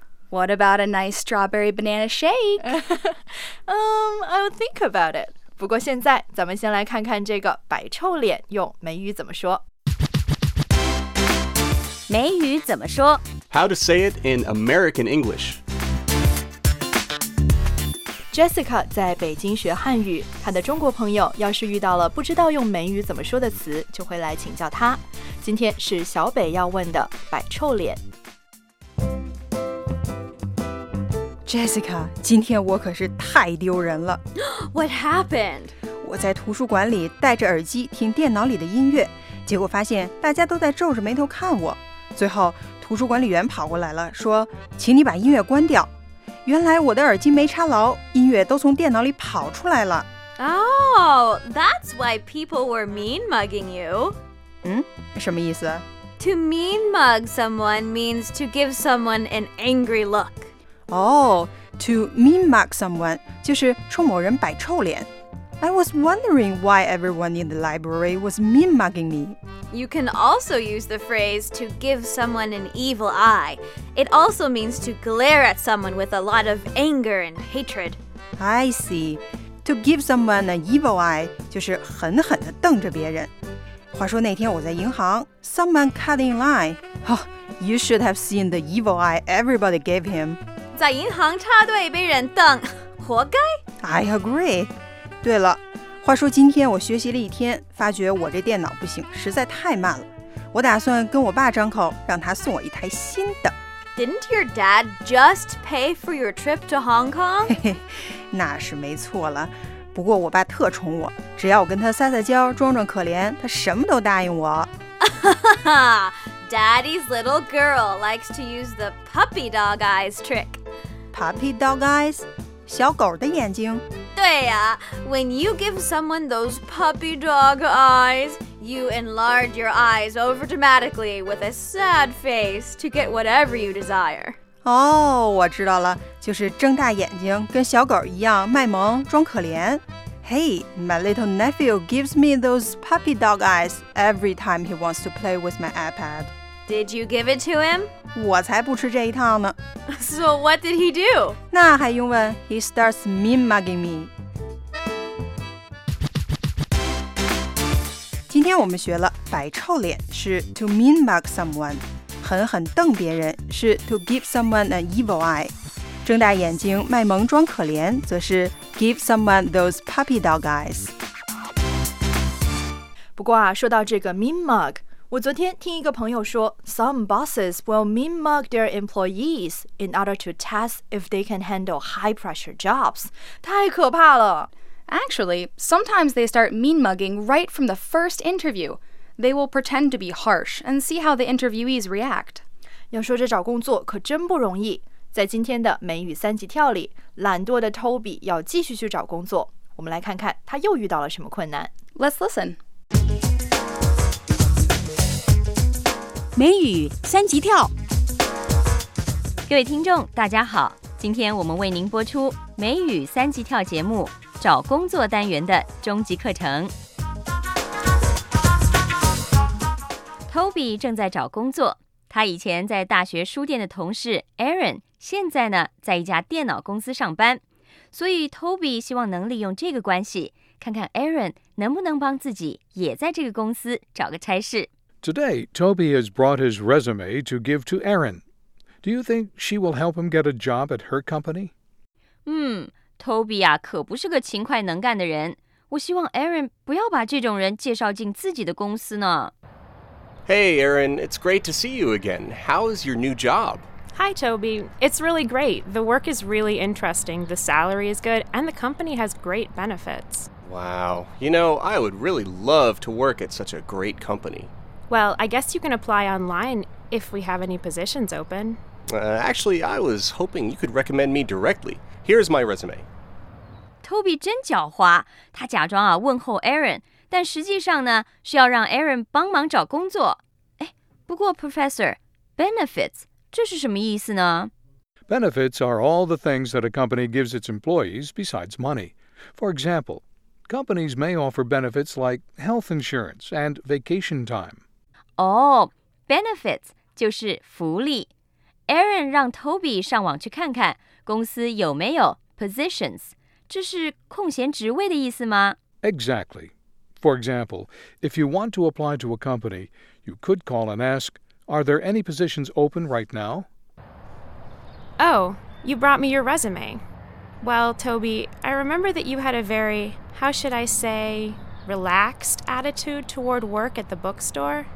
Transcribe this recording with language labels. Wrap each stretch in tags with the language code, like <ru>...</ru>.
<en>What about a nice strawberry banana shake? I'll think about it.</en> <zh>不过现在，咱们先来看看这个白臭脸用美语怎么说。美语怎么说</zh> <en>How to say it in American English.</en> <zh>Jessica 在北京学汉语，她的中国朋友要是遇到了不知道用美语怎么说的词，就会来请教她。今天是小北要问的摆臭脸。 Jessica, 今天我可是太丢人了。</zh> <en>What happened?</en> <zh>我在图书馆里戴着耳机听电脑里的音乐，结果发现大家都在皱着眉头看我。最后图书管理员跑过来了，说请你把音乐关掉。原来我的耳机没插牢，音乐都从电脑里跑出来了。</zh> <en>Oh, that's why people were mean mugging you.</en> <zh>嗯，什么意思？</zh> <en>To mean mug someone means to give someone an angry look. To mean mug someone</en> <zh>就是冲某人摆臭脸。</zh> <en>I was wondering why everyone in the library was mean mugging me You can also use the phrase to give someone an evil eye. It also means to glare at someone with a lot of anger and hatred. I see.</en> <zh>To give someone an evil eye 就是狠狠地瞪着别人。话说那天我在银行，</zh> <en>someone cut in line. Oh, you should have seen the evil eye everybody gave him.</en> <zh>在银行插队被人瞪，活该。</zh> <en>I agree.</en> <zh>对了。话说今天我学习了一天，发觉我这电脑不行，实在太慢了。我打算跟我爸张口，让他送我一台新的。</zh> <en>Didn't your dad just pay for your trip to Hong Kong?</en> <zh>那是没错了。不过我爸特宠我，只要我跟他撒撒娇，装装可怜，他什么都答应我。</zh> <en>Daddy's little girl likes to use the puppy dog eyes trick. Puppy dog eyes?</en> <zh>小狗的眼睛？对呀、</zh> <en>啊、When you give someone those puppy dog eyes, you enlarge your eyes over dramatically with a sad face to get whatever you desire.</en> <zh>哦、oh, 我知道了，就是睁大眼睛跟小狗一样卖萌装可怜。</zh> <en>Hey, my little nephew gives me those puppy dog eyes every time he wants to play with my iPad. Did you give it to him?</en> <zh>我才不吃这一套呢。</zh> <en>So what did he do?</en> <zh>那还用问？</zh> <en>He starts mean mugging me.</en> <zh>今天我们学了摆臭脸是</zh> <en>to mean mug someone,</en> <zh>狠狠瞪别人是</zh> <en>to give someone an evil eye.</en> <zh>睁大眼睛卖萌装可怜则是</zh> <en>give someone those puppy dog eyes。</en> <zh>不过啊，说到这个</zh> <en>mean mug，</en> <zh>我昨天听一个朋友说</zh> <en>some bosses will mean mug their employees in order to test if they can handle high pressure jobs。</en> <zh>太可怕了。</zh> <en>Actually, sometimes they start mean mugging right from the first interview. They will pretend to be harsh and see how the interviewees react。</en> <zh>要说这找工作可真不容易，在今天的美语三级跳里，懒惰的 Toby 要继续去找工作。我们来看看他又遇到了什么困难。</zh> <en>Let's listen.</en> <zh>美语三级跳。各位听众，大家好，今天我们为您播出美语三级跳节目找工作单元的终极课程。 Toby 正在找工作，他以前在大学书店的同事 Aaron。现在呢，在一家电脑公司上班，所以 Toby 希望能利用这个关系，看看 Aaron 能不能帮自己也在这个公司找个差事。</zh> <en>Today, Toby has brought his resume to give to Aaron. Do you think she will help him get a job at her company?</en> <zh>Toby 啊，可不是个勤快能干的人。我希望 Aaron 不要把这种人介绍进自己的公司呢。</zh> <en>Hey, Aaron, it's great to see you again. How is your new job? Hi, Toby. It's really great. The work is really interesting, the salary is good, and the company has great benefits. Wow. You know, I would really love to work at such a great company. Well, I guess you can apply online if we have any positions open. Actually, I was hoping you could recommend me directly. Here's my resume.</en> <zh>Toby 真狡猾，他假装啊问候 Aaron, 但实际上呢是要让 Aaron 帮忙找工作。哎，不过 Professor, benefits... 这是什么意思呢?</zh> <en>Benefits are all the things that a company gives its employees besides money. For example, companies may offer benefits like health insurance and vacation time.</en> <zh>Oh, benefits 就是福利。 Aaron 让 Toby 上网去看看公司有没有 positions, 这是空闲职位的意思吗?</zh> <en>Exactly. For example, if you want to apply to a company, you could call and ask,Are there any positions open right now? Oh, you brought me your resume. Well, Toby, I remember that you had a very, how should I say, relaxed attitude toward work at the bookstore.</en>